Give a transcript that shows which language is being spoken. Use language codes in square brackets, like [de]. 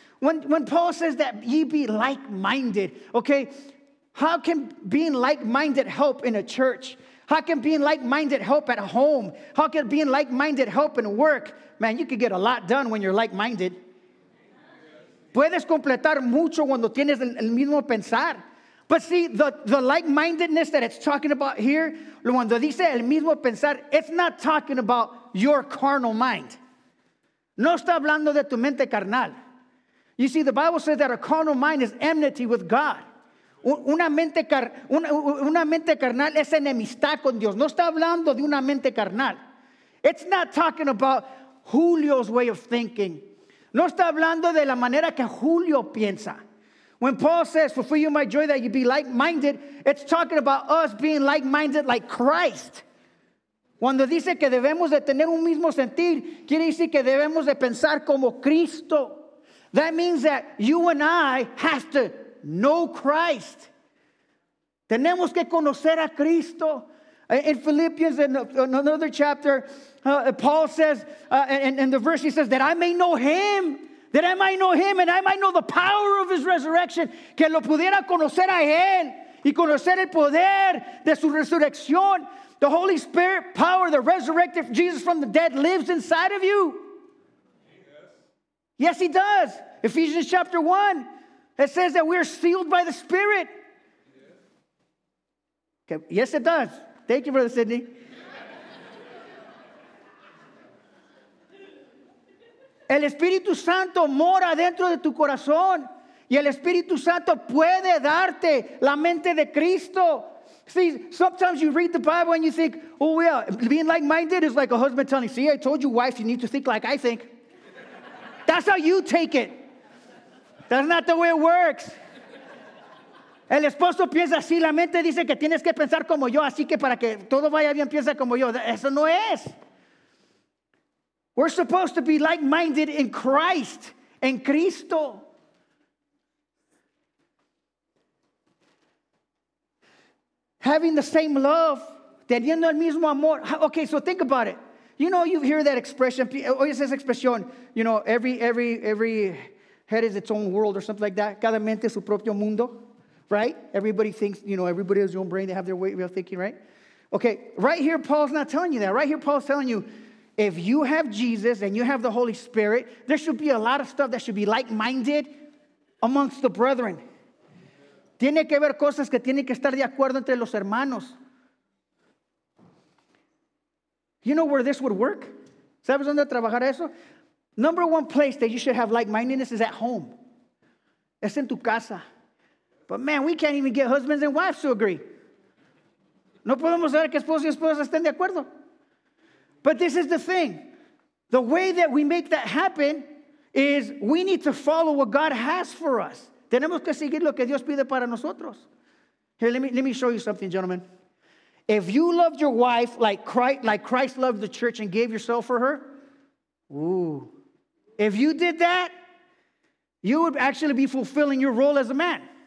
[en] When Paul says that ye be like-minded, okay, how can being like-minded help in a church? How can being like-minded help at home? How can being like-minded help in work? Man, you can get a lot done when you're like-minded. [es] Puedes completar mucho cuando tienes el mismo pensar. [en] But see, the like-mindedness that it's talking about here, [es] cuando dice el mismo pensar, [en] it's not talking about your carnal mind. [es] No está hablando de tu mente carnal. [en] You see, the Bible says that a carnal mind is enmity with God. [es] Una mente carnal es enemistad con Dios. No está hablando de una mente carnal. [en] It's not talking about Julio's way of thinking. [es] No está hablando de la manera que Julio piensa. [en] When Paul says, fulfill you my joy that you be like-minded, it's talking about us being like-minded like Christ. [es] Cuando dice que debemos de tener un mismo sentir, quiere decir que debemos de pensar como Cristo. [en] That means that you and I have to know Christ. [es] Tenemos que conocer a Cristo. [en] In Philippians, in another chapter, Paul says, in the verse he says, that I may know him. That I might know him and I might know the power of his resurrection. [es] Que lo pudiera conocer a él y conocer el poder de su resurrección. [en] The Holy Spirit power, the resurrected Jesus from the dead lives inside of you. Yes, he does. Ephesians chapter 1, it says that we are sealed by the Spirit. Yes, okay. Yes it does. Thank you, Brother Sydney. [es] El Espíritu Santo mora dentro de tu corazón. Y el Espíritu Santo puede darte la mente de Cristo. [en] See, sometimes you read the Bible and you think, oh, yeah, being like-minded is like a husband telling you, see, I told you, wife, you need to think like I think. That's how you take it. That's not the way it works. [es] El esposo piensa así, la mente dice que tienes que pensar como yo, así que para que todo vaya bien, piensa como yo. Eso no es. [en] We're supposed to be like-minded in Christ, [es] en Cristo. [en] Having the same love, [es] teniendo el mismo amor. [en] Okay, so think about it. You know, you hear that expression, always this expression, you know, every head is its own world or something like that. [es] Cada mente es su propio mundo, [en] right? Everybody thinks, you know, everybody has their own brain, they have their way of thinking, right? Okay, right here, Paul's not telling you that. Right here, Paul's telling you, if you have Jesus and you have the Holy Spirit, there should be a lot of stuff that should be like-minded amongst the brethren. [es] Tiene que haber cosas que tienen que estar de acuerdo entre los hermanos. [en] You know where this would work? [es] ¿Sabes dónde trabajar eso? [en] Number one place that you should have like-mindedness is at home. [es] Es en tu casa. [en] But man, we can't even get husbands and wives to agree. [es] No podemos saber que esposo y esposa estén de acuerdo. [en] But this is the thing. The way that we make that happen is we need to follow what God has for us. [es] Tenemos que seguir lo que Dios pide para nosotros. [en] Here, let me show you something, gentlemen. If you loved your wife like Christ loved the church and gave yourself for her, ooh. If you did that, you would actually be fulfilling your role as a man.